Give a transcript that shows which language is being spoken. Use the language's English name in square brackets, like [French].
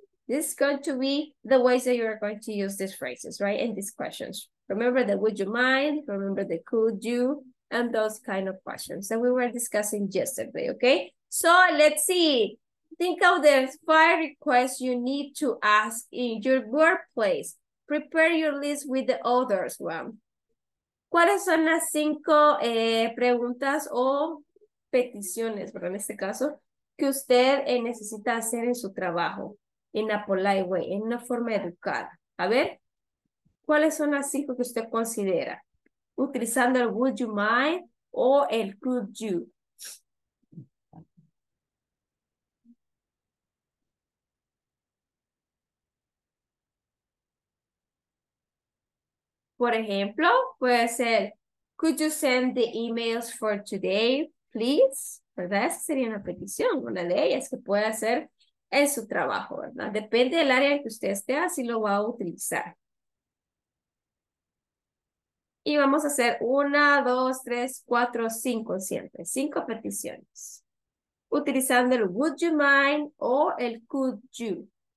[English] This is going to be the ways that you are going to use these phrases, right? And these questions. Remember the would you mind? Remember the could you? And those kind of questions that we were discussing yesterday, okay? So let's see. Think of the five requests you need to ask in your workplace. Prepare your list with the others one. [Spanish] ¿Cuáles son las cinco preguntas o peticiones, ¿verdad? En este caso, que usted necesita hacer en su trabajo, [English] in a polite way, [Spanish] en una forma educada? A ver, ¿cuáles son las cinco que usted considera? Utilizando el would you mind o el could you. Por ejemplo, puede ser, [English] could you send the emails for today, please? [Spanish] ¿Verdad? Esa sería una petición, una de ellas que puede hacer en su trabajo, ¿verdad? Depende del área que usted esté, así lo va a utilizar. Y vamos a hacer una, dos, tres, cuatro, cinco siempre. Cinco peticiones. Utilizando el would you mind o el could you.